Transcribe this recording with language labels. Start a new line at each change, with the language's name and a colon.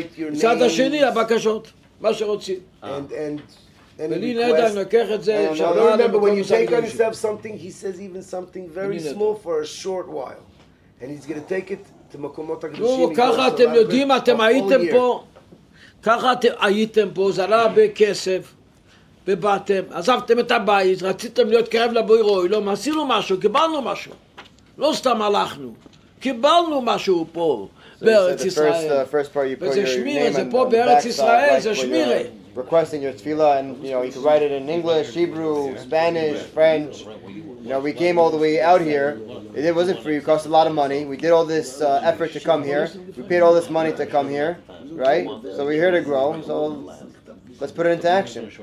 Hebrew: מצד השני, הבקשות, מה שרוצים. בלי נדע, אני לוקח את זה, שאלה למקום מסע קדוש. כשאתה קבל משהו, הוא אומר אפילו משהו מאוד קטן,
English: for a short while. And he's going to take it
Hebrew: למקומות הקדושים. נו, ככה אתם יודעים, אתם הייתם פה, ככה אתם הייתם פה, זה עלה הרבה כסף, ובאתם, עזבתם את הבית, רציתם להיות קרב לבוירוי, לא, עשינו משהו, קיבלנו משהו, לא סתם הלכנו, קיבלנו משהו פה, בארץ ישראל. וזה שמירה, זה פה בארץ ישראל, זה שמירה.
English: Requesting your tefillah, and you know, you can write it in English, Hebrew, Spanish, French. You know, we came all the way out here. It wasn't free, it cost a lot of money. We did all this effort to come here. We paid all this money to come here, right? So we're here to grow, so let's put it into action.